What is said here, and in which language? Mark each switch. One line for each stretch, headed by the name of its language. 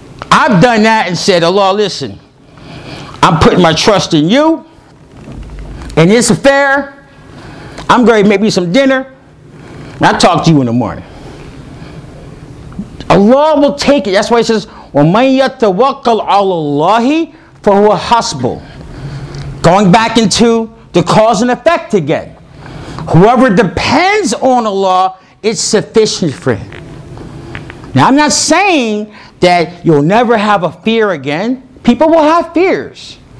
English: I've done that and said, Allah, listen, I'm putting my trust in you. In this affair, I'm going to make me some dinner. I'll talk to you in the morning. Allah will take it. That's why it says,
Arabic: وَمَنْ يَتَوَقَّلْ عَلَى اللَّهِ فَهُوَ حَسْبُهُ.
English: Going back into the cause and effect again. Whoever depends on Allah, it's sufficient for him. Now, I'm not saying that you'll never have a fear again. People will have fears.